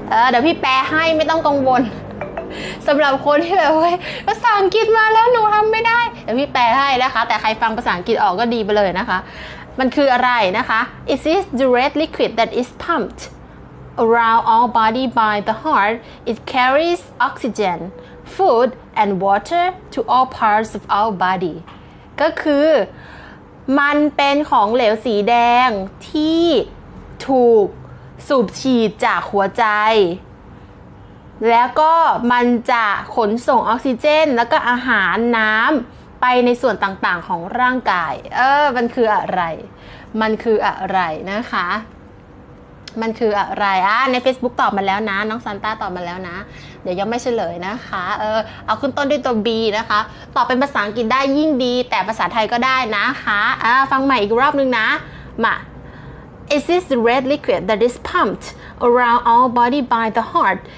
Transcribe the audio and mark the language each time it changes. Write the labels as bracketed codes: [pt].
[th] เดี๋ยวพี่แปลให้ไม่ต้องกังวลสำหรับคนที่แบบว่าภาษาอังกฤษมาแล้วหนูทำไม่ได้เดี๋ยวพี่แปลให้นะคะแต่ใครฟังภาษาอังกฤษออกก็ดีไปเลยนะคะมันคืออะไรนะคะ [en] Is this the red liquid that is pumped around our body by the heart? It carries oxygen, food, and water to all parts of our body. [th] ก็คือมันเป็นของเหลวสีแดงที่ถูกสูบฉีดจากหัวใจแล้วก็มันจะขนส่งออกซิเจนแล้วก็อาหารน้ำ ไปในส่วนต่างๆของร่างกายมันคืออะไรมันคืออะไรนะคะมันคืออะไรใน Facebook ตอบมาแล้วนะน้องซันต้าตอบมาแล้วนะเดี๋ยวยังไม่เฉลยนะคะเอาขึ้นต้นด้วยตัว B นะคะตอบเป็นภาษาอังกฤษได้ยิ่งดีแต่ภาษาไทยก็ได้นะคะฟังใหม่อีกรอบนึงนะมา [en] Is this red liquid that is pumped around our body by the heart?